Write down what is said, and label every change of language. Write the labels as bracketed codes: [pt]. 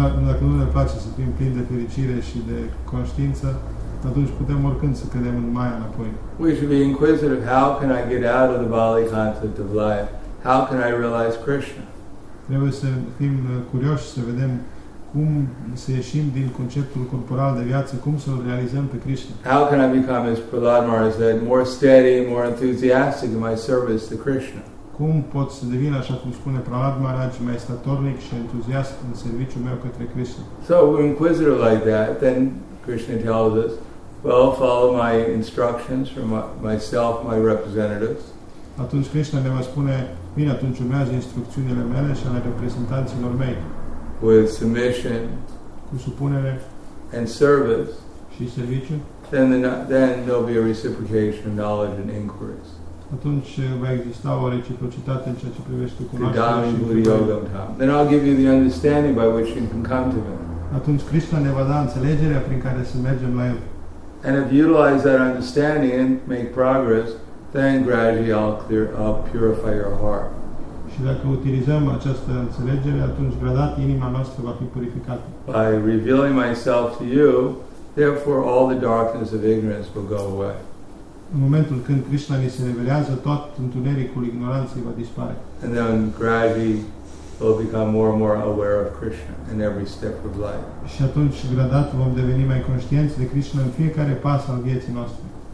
[ro] Dacă nu ne place să fim plini de fericire și de conștiință, atunci putem oricând să cădem în Maya înapoi. [en] We should be inquisitive. How can I get out of the Bali concept of life? How can I realize Krishna? [ro] Trebuie să fim curioși să vedem cum să ieșim din conceptul corporal de viață, cum să-l realizăm pe Krishna. [en] How can I become, as Prahlad Maharaj said, more steady, more enthusiastic in my service to Krishna? [ro] Cum pot să devin, așa cum spune Prahlad Maharaj, mai statornic și entuziast în serviciul meu către Krishna? [en] So, we're inquisitive like that, then Krishna tells us, well, follow my instructions from myself, my representatives. [ro] Atunci Krishna ne va spune, bine, atunci urmează instrucțiunile mele și ale reprezentanților mei. [en] With submission, [ro] cu supunere, [en] and service, [ro] și serviciu, [en] then there'll be a reciprocation of knowledge and inquiries. [ro] Atunci va exista o reciprocitate în ceea ce privește cunoașterea. [en] Then I'll give you the understanding by which you can come to me. [ro] Atunci Krishna ne va da înțelegerea prin care să mergem la el. [en] And if you utilize that understanding and make progress, then gradually I'll purify your heart. [ro] Și dacă utilizăm această înțelegere, atunci gradat inima noastră va fi purificată. [en] By revealing myself to you, therefore all the darkness of ignorance will go away. [ro] În momentul când Krishna ni se revelează, tot întunericul ignoranței va dispare. [en] And then gradually we'll become more and more aware of Krishna in every step of life. [ro] Și atunci gradat vom deveni mai conștienți de Krishna în fiecare pas al vieții noastre.